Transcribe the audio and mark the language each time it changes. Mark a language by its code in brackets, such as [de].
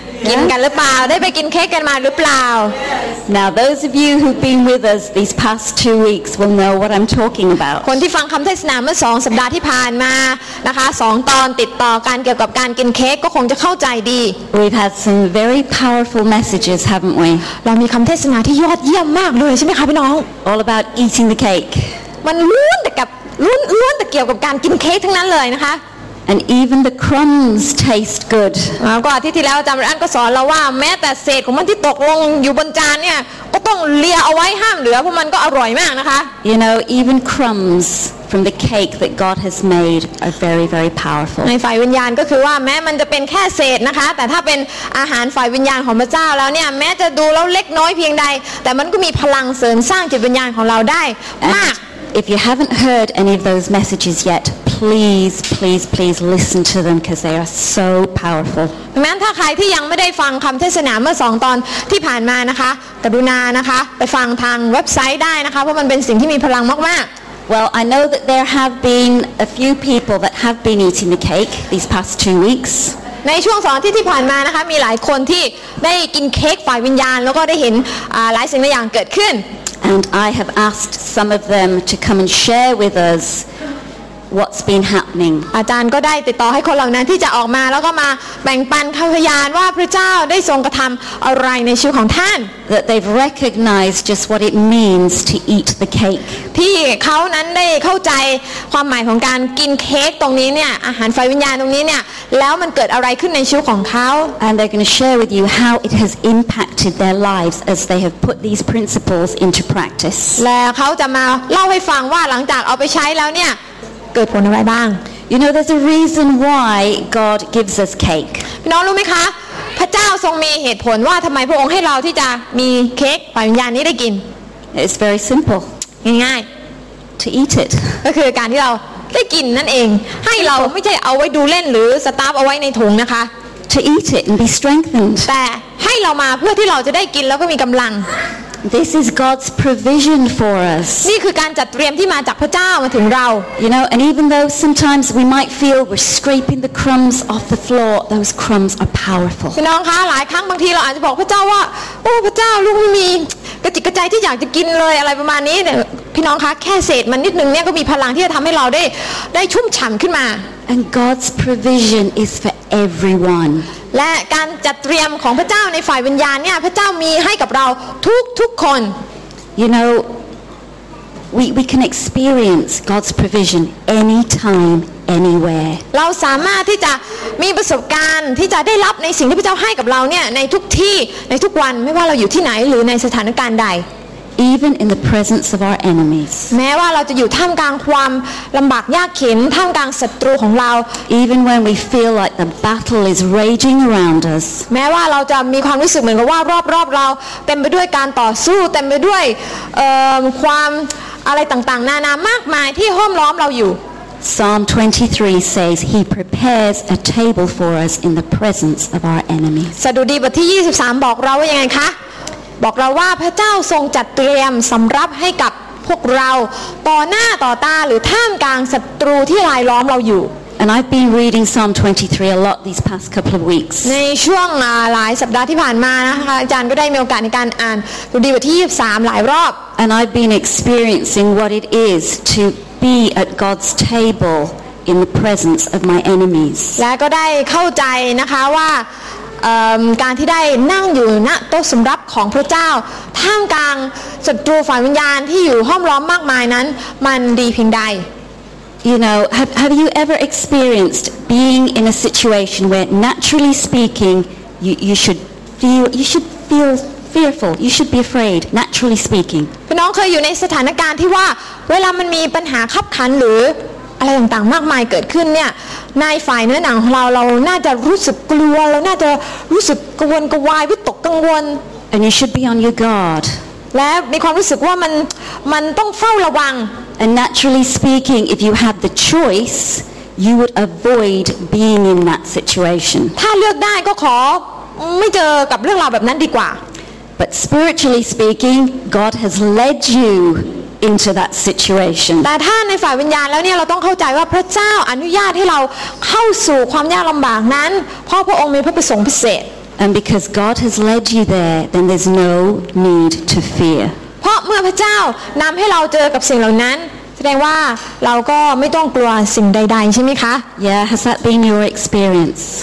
[th] กินกันหรือเปล่าได้ไปกินเค้กกันมาหรือเปล่า [en] Now those of you who've been with us these past 2 weeks will know what I'm talking about. [th] คนที่ฟังคำเทศนาเมื่อ2สัปดาห์ที่ผ่านมานะคะ2ตอนติดต่อกันเกี่ยวกับการกินเค้กก็คงจะเข้าใจดี [en] We've had some very powerful messages, haven't we? [th] เรามีคำเทศนาที่ยอดเยี่ยมมากเลยใช่ไหมคะพี่น้อง [en] All about eating the cake. [th] มันล้วนแต่กับล้วนแต่เกี่ยวกับการกินเค้กทั้งนั้นเลยนะคะ [en] And even the crumbs taste good. [th] ก็ที่แล้วอาจารย์อันก็สอนเราว่าแม้แต่เศษของมันที่ตกลงอยู่บนจานเนี่ยก็ต้องเลียเอาไว้ห้ามเหลือเพราะมันก็อร่อยมากนะคะ [en] You know, even crumbs from the cake that God has made are very, very powerful. [th] ในฝ่ายวิญญาณก็คือว่าแม้มันจะเป็นแค่เศษนะคะแต่ถ้าเป็นอาหารฝ่ายวิญญาณของพระเจ้าแล้วเนี่ยแม้จะดูแล้วเล็กน้อยเพียงใดแต่มันก็มีพลังเสริมสร้างจิตวิญญาณของเราได้มาก [en] If you haven't heard any of those messages yet, please, please, please listen to them because they are so powerful. [th] แม้ถ้าใครที่ยังไม่ได้ฟังคำเทศนาเมื่อ2ตอนที่ผ่านมานะคะกรุณานะคะไปฟังทางเว็บไซต์ได้นะคะเพราะมันเป็นสิ่งที่มีพลังมาก [en] ๆ Well, I know that there have been a few people that have been eating the cake these past 2 weeks. [th] ในช่วง2ที่ผ่านมานะคะมีหลายคนที่ได้กินเค้กฝ่ายวิญญาณแล้วก็ได้เห็นหลายสิ่งหลายอย่างเกิดขึ้น [en] And I have asked some of them to come and share with us what's been happening [th] อาจารย์ก็ได้ติดต่อให้คนเหล่านั้นที่จะออกมาแล้วก็มาแบ่งปันคำพยานว่าพระเจ้าได้ทรงกระทำอะไรในชีวิตของท่าน [en] That they've recognized just what it means to eat the cake [th] ที่เขานั้นได้เข้าใจความหมายของการกินเค้กตรงนี้เนี่ยอาหารไฟวิญญาณตรงนี้เนี่ยแล้วมันเกิดอะไรขึ้นในชีวิตของเขา [en] And they're going to share with you how it has impacted their lives as they have put these principles into practice [th] และเขาจะมาเล่าให้ฟังว่าหลังจากเอาไปใช้แล้วเนี่ยเกิดผลอะไรบ้าง [en] You know there's a reason why God gives us cake [th] พี่น้องรู้ไหมคะพระเจ้าทรงมีเหตุผลว่าทำไมพระองค์ให้เราที่จะมีเค้กฝ่ายวิญญาณนี้ได้กิน [en] It's very simple [th] ง่าย [en] ๆ To eat it [th] ก็คือการที่เราได้กินนั่นเองให้เราไม่ใช่เอาไว้ดูเล่นหรือสตาร์ฟเอาไว้ในถุงนะคะ [en] To eat it and be strengthened [th] แต่ให้เรามาเพื่อที่เราจะได้กินแล้วก็มีกำลัง [en] This is God's provision for us. [th] นี่คือการจัดเตรียมที่มาจากพระเจ้ามาถึงเรา [en] You know, and even though sometimes we might feel we're scraping the crumbs off the floor, those crumbs are powerful. [th] พี่น้องคะหลายครั้งบางทีเราอาจจะบอกพระเจ้าว่าโอ้พระเจ้าลูกไม่มีกระจิกกระใจที่อยากจะกินเลยอะไรประมาณนี้เนี่ยพี่น้องคะแค่เศษมันนิดนึงเนี่ยก็มีพลังที่จะทำให้เราได้ชุ่มฉ่ำขึ้นมา [en] And God's provision is for everyone. [th] และการจัดเตรียมของพระเจ้าในฝ่ายวิญญาณเนี่ยพระเจ้ามีให้กับเราทุกคน [en] You know we can experience God's provision anytime anywhere [th] เราสามารถที่จะมีประสบการณ์ที่จะได้รับในสิ่งที่พระเจ้าให้กับเราเนี่ยในทุกที่ในทุกวันไม่ว่าเราอยู่ที่ไหนหรือในสถานการณ์ใด [en] Even in the presence of our enemies [th] แม้ว่าเราจะอยู่ท่ามกลางความลำบากยากเข็ญท่ามกลางศัตรูของเรา [en] Even when we feel like the battle is raging around us [th] แม้ว่าเราจะมีความรู้สึกเหมือนกับว่ารอบๆเราเต็มไปด้วยการต่อสู้เต็มไปด้วยความอะไรต่างๆนานามากมายที่ห้อมล้อมเราอยู่ [en] Psalm 23 says he prepares a table for us in the presence of our enemies [th] สดุดีบทที่23บอกเราว่ายังไงคะบอกเราว่าพระเจ้าทรงจัดเตรียมสำรับให้กับพวกเราต่อหน้าต่อตาหรือท่ามกลางศัตรูที่รายล้อมเราอยู่ [en] And I've been reading Psalm 23 a lot these past couple of weeks [th] ในช่วงหลายสัปดาห์ที่ผ่านมานะคะอาจารย์ก็ได้มีโอกาสในการอ่านดูดีบทที่23หลายรอบ [en] And I've been experiencing what it is to be at God's table in the presence of my enemies [th] และก็ได้เข้าใจนะคะว่าการที่ได้นั่งอยู่ณโต๊ะสำรับของพระเจ้าท่ามกลางศัตรูฝ่ายวิญญาณที่อยู่ห้อมล้อมมากมายนั้นมันดีเพียงใด [en] You know have you ever experienced being in a situation where naturally speaking you should feel fearful you should be afraid naturally speaking [th] พี่น้องเคยอยู่ในสถานการณ์ที่ว่าเวลามันมีปัญหาคับขันหรืออะไรต่างๆมากมายเกิดขึ้นเนี่ยนายฝ่ายเนื้อหนังของเราน่าจะรู้สึกกลัวเราน่าจะรู้สึกกังวลกังวายวิตกกังวล [en] And you should be on your guard [th] และมีความรู้สึกว่ามันต้องเฝ้าระวัง [en] And naturally speaking if you have the choice you would avoid being in that situation [th] ถ้าเลือกได้ก็ขอไม่เจอกับเรื่องราวแบบนั้นดีกว่า [en] But spiritually speaking God has led you into that situation. [th] แต่ถ้าในฝ่ายวิญญาณแล้วเนี่ยเราต้องเข้าใจว่าพระเจ้าอนุญาตให้เราเข้าสู่ความยากลำบากนั้นเพราะพระองค์มีพระประสงค์พิเศษ [en] And because God has led you there, then there's no need to fear. [th] เพราะเมื่อพระเจ้านำให้เราเจอกับสิ่งเหล่านั้นแสดงว่าเราก็ไม่ต้องกลัวสิ่งใดๆใช่ไหมคะ [en] Yeah, has that been your experience?